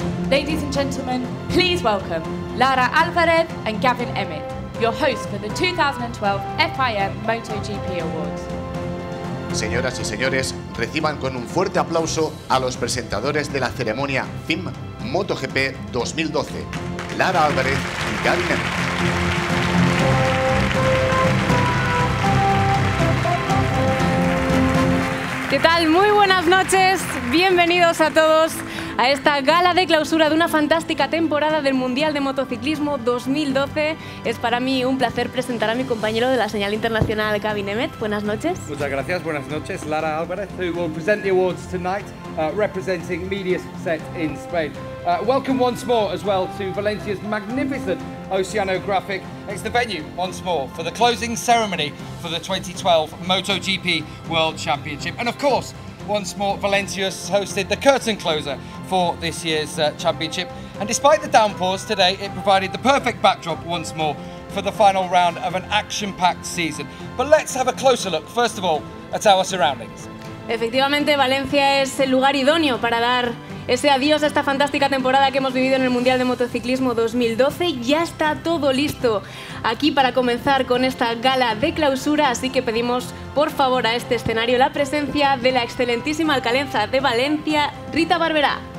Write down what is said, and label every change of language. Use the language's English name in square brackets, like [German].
[English] Ladies and gentlemen, please welcome Lara Alvarez and Gavin Emmett, your hosts for the 2012 FIM MotoGP Awards. [Spanish] Señoras y señores, reciban con un fuerte aplauso a los presentadores de la ceremonia FIM MotoGP 2012, Lara Alvarez y Gavin Emmett. ¿Qué tal? Muy buenas noches, bienvenidos a todos a esta gala de clausura de una fantástica temporada del Mundial de Motociclismo 2012. Es para mí un placer presentar a mi compañero de la señal internacional, Gavin Emmett. Buenas noches. Muchas gracias, buenas noches. [English] Lara Alvarez, who will present the awards tonight, representing Mediaset in Spain. Welcome once more as well to Valencia's magnificent oceanographic. It's the venue once more for the closing ceremony for the 2012 MotoGP World Championship. And of course, once more, Valencia hosted the curtain closer for this year's championship. And despite the downpours today, it provided the perfect backdrop once more for the final round of an action-packed season. But let's have a closer look, first of all, at our surroundings. [Spanish] Efectivamente, Valencia es el lugar idóneo para dar ese adiós a esta fantástica temporada que hemos vivido en el Mundial de Motociclismo 2012. Ya está todo listo aquí para comenzar con esta gala de clausura, así que pedimos por favor a este escenario la presencia de la excelentísima alcaldesa de Valencia, Rita Barberá.